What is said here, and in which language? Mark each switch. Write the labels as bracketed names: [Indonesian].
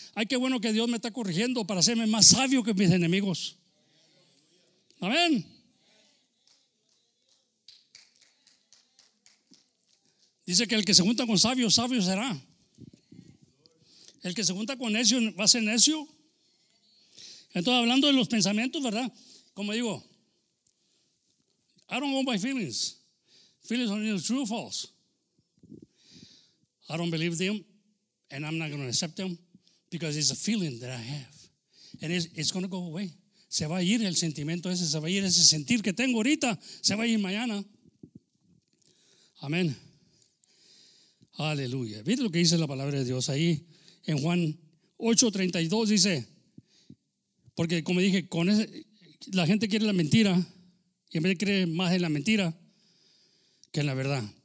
[Spanish] Ay, qué bueno que Dios me está corrigiendo para hacerme más sabio que mis enemigos. Amén. Dice que el que se junta con sabios, sabio será. El que se junta con necio, va a ser necio. Entonces, hablando de los pensamientos, ¿verdad? Como digo, [English] I don't go by feelings. Feelings are either true or false. I don't believe them, and I'm not going to accept them, because it's a feeling that I have. And it's going to go away. [Spanish] Se va a ir el sentimiento ese, se va a ir ese sentir que tengo ahorita, se va a ir mañana. Amén. Aleluya. Mire lo que dice la palabra de Dios ahí en Juan 8:32 dice, porque como dije, con ese, la gente quiere la mentira y en vez de creer más en la mentira que en la verdad.